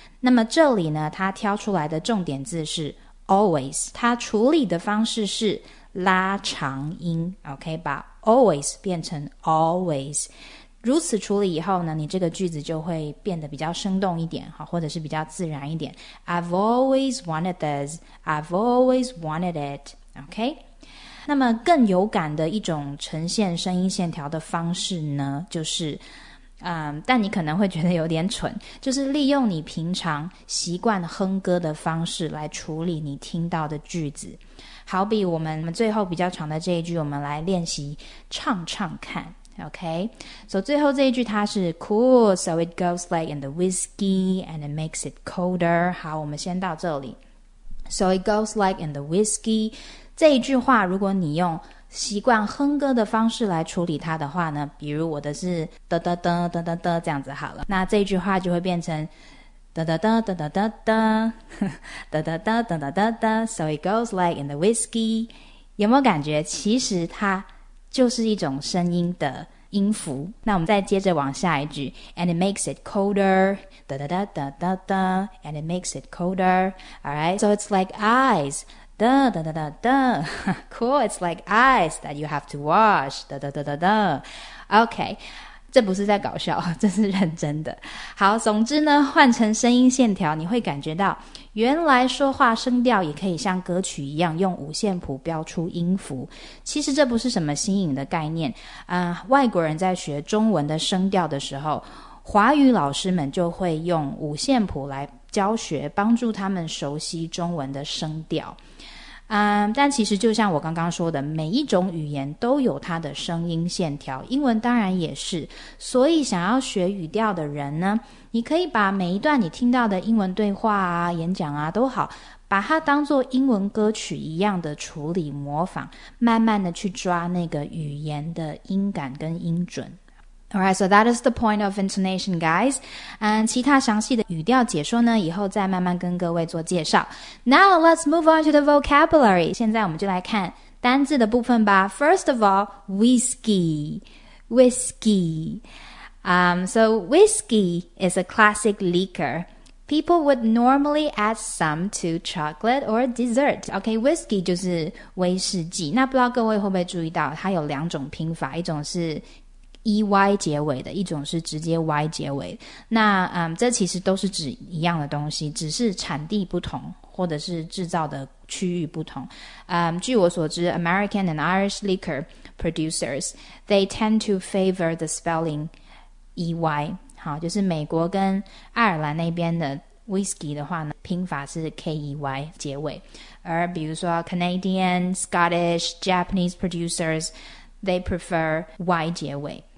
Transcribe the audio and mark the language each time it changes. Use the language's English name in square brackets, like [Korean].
[Chinese] 那么这里呢，他挑出来的重点字是 always, 他处理的方式是拉长音， OK, 把 always 变成 always。如此处理以后呢，你这个句子就会变得比较生动一点，或者是比较自然一点。 [English] I've always wanted this, I've always wanted it, OK? [Chinese] 那么更有感的一种呈现声音线条的方式呢，就是但你可能会觉得有点蠢，就是利用你平常习惯哼歌的方式来处理你听到的句子。好比我们最后比较长的这一句，我们来练习唱唱看。 [English] OK, so [Chinese] 最后这一句它是 [English] Cool, so it goes like in the whiskey and it makes it colder. [Chinese] 好，我们先到这里。 [English] So it goes like in the whiskey, [Chinese] 这一句话如果你用习惯哼歌的方式来处理它的话呢，比如我的是得得得得得得这样子好了，那这一句话就会变成得得得得得得得得得得得得得得 So it goes like in the whiskey. 有没有感觉其实它就是一种声音的音符？那我们再接着往下一句 [English] And it makes it colder. 得得得得得得 And it makes it colder. Alright, so it's like eyes. Da, da, da, da, da. Cool, it's like ice that you have to wash. [Chinese] Da, da, da, da, da. Okay, 这不是在搞笑，这是认真的。好，总之呢，换成声音线条，你会感觉到原来说话声调也可以像歌曲一样用五线谱标出音符。其实这不是什么新颖的概念，外国人在学中文的声调的时候，华语老师们就会用五线谱来教学，帮助他们熟悉中文的声调。但其实就像我刚刚说的，每一种语言都有它的声音线条，英文当然也是。所以想要学语调的人呢，你可以把每一段你听到的英文对话啊、演讲啊都好，把它当作英文歌曲一样的处理模仿，慢慢的去抓那个语言的音感跟音准。 [English] Alright, so that is the point of intonation, guys. [Chinese] 其他详细的语调解说呢，以后再慢慢跟各位做介绍。 [English] Now, let's move on to the vocabulary. [Chinese] 现在我们就来看单字的部分吧。 [English] First of all, whiskey. Whiskey. So whiskey is a classic liquor. People would normally add some to chocolate or dessert. [Chinese] Okay, whiskey 就是威士忌。那不知道各位会不会注意到，它有两种拼法，一种是 EY 结尾的，一种是直接 Y 结尾。那这其实都是指一样的东西，只是产地不同或者是制造的区域不同。据我所知 [English] American and Irish liquor producers, they tend to favor the spelling EY。 [Chinese] 好，就是美国跟爱尔兰那边的 Whisky 的话呢，拼法是 KEY 结尾。 [English] 而比如说 Canadian, Scottish, Japanese producers, they prefer Y [Chinese] 结尾。